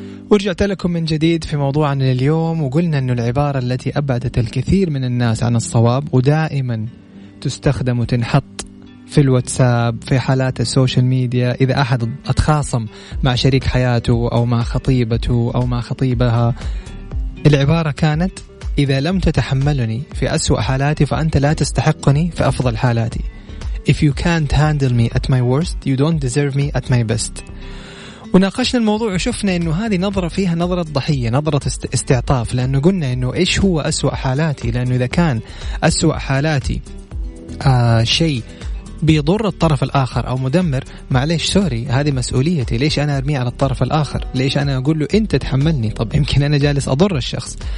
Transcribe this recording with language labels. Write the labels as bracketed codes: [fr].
[ar] ورجعت لكم من جديد في موضوعنا اليوم، وقلنا أن العبارة التي أبعدت الكثير من الناس عن الصواب ودائما تستخدم وتنحط في الواتساب، في حالات السوشيال ميديا، إذا أحد أتخاصم مع شريك حياته أو مع خطيبته أو مع خطيبها، العبارة كانت إذا لم تتحملني في أسوأ حالاتي فأنت لا تستحقني في أفضل حالاتي. [en] If you can't handle me at my worst, you don't deserve me at my best. [ar] وناقشنا الموضوع وشفنا أنه هذه نظرة فيها نظرة ضحية، نظرة استعطاف، لأنه قلنا أنه إيش هو أسوأ حالاتي، لأنه إذا كان أسوأ حالاتي شيء بيضر الطرف الآخر أو مدمر، معليش سوري هذه مسؤوليتي، ليش أنا أرميه على الطرف الآخر؟ ليش أنا أقول له أنت تحملني؟ طب يمكن أنا جالس أضر الشخص.